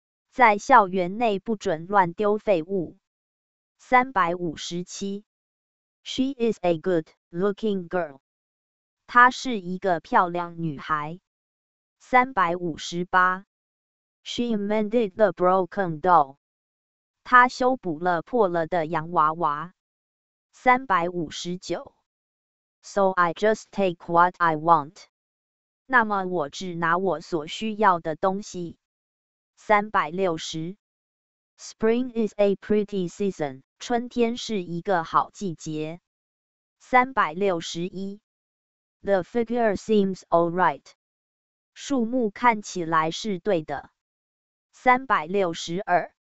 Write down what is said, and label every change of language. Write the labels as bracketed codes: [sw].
[zh] 在校园内不准乱丢废物。 357. [en] She is a good looking girl. [zh] 她是一个漂亮女孩。358. [en] She mended the broken doll. [zh] 她修补了破了的洋娃娃。 359. [en] So I just take what I want. [zh] 那么我只拿我所需要的东西。 360. [en] Spring is a pretty season. [zh] 春天是一个好季节。361. [en] The figure seems all right. [zh] 树木看起来是对的。362.